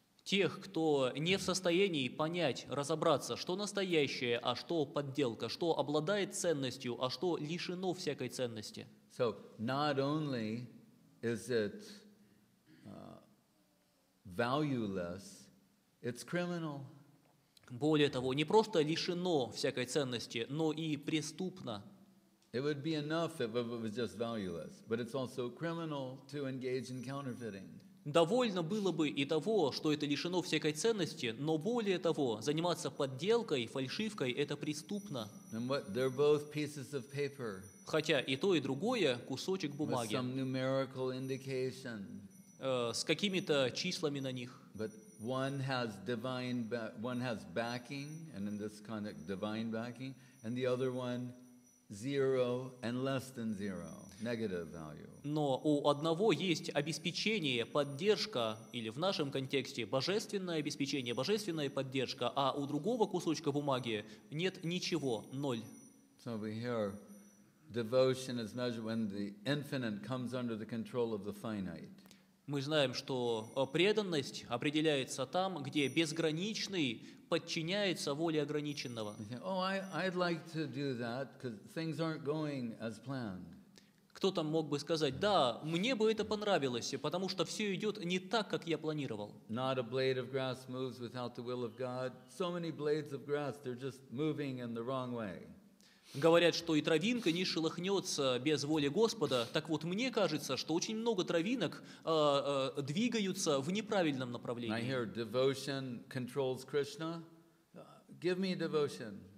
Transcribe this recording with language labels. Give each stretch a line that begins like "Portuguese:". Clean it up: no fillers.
Russian: Тех, кто не в состоянии понять, разобраться, что настоящее, а что подделка, что обладает ценностью, а что лишено всякой ценности.
English: So not only is it valueless, it's criminal.
Russian: Более того, не просто лишено всякой ценности, но и преступно.
English: It would be enough if it was just valueless, but it's also criminal to engage in counterfeiting.
Russian: Довольно было бы и того, что это лишено всякой ценности, но более того, заниматься подделкой, фальшивкой – это преступно.
English: And what, they're both pieces of paper.
Russian: Хотя и то, и другое – кусочек бумаги.
English: With some numerical indication.
Russian: С какими-то числами на них.
English: But one has divine, one has backing, and in this context, divine backing, and the other one zero and less than zero, negative value.
Russian: Но у одного есть обеспечение, поддержка, или в нашем контексте божественное обеспечение, божественная поддержка, а у другого кусочка бумаги нет ничего, ноль.
English: So we hear devotion is measured when the infinite comes under the control of the finite.
Russian: Мы знаем, что преданность определяется там, где безграничный подчиняется воле ограниченного.
English: Oh, I'd like to do that, 'cause things aren't going as planned.
Russian: Кто там мог бы сказать, да, мне бы это понравилось, потому что все идет не так, как я планировал.
English: Not a blade of grass moves without the will of God. So many blades of grass, they're just moving in the wrong way.
Russian: Говорят, что и травинка не шелохнется без воли Господа. Так вот, мне кажется, что очень много травинок двигаются в неправильном направлении.
English: I hear devotion controls Krishna. Give me devotion.